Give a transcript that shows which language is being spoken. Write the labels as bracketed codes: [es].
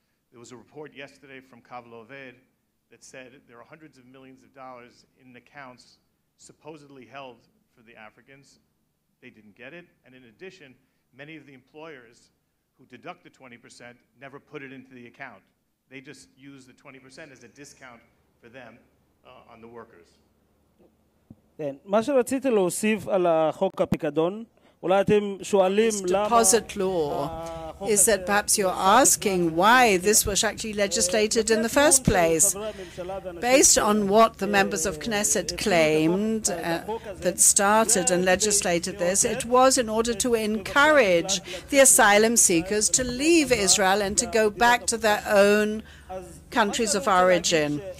[en] There was a report yesterday from Kav Loved that said there are hundreds of millions of dollars in accounts supposedly held for the Africans. They didn't get it. And in addition, many of the employers who deduct the 20% never put it into the account. They just use the 20% as a discount for them on the workers. [he] מה שרציתי להוסיף על החוק הפיקדון, אולי אתם שואלים למה... [en] deposit law. is that perhaps you're asking why this was actually legislated in the first place. Based on what the members of Knesset claimed that started and legislated this, it was in order to encourage the asylum seekers to leave Israel and to go back to their own countries of origin.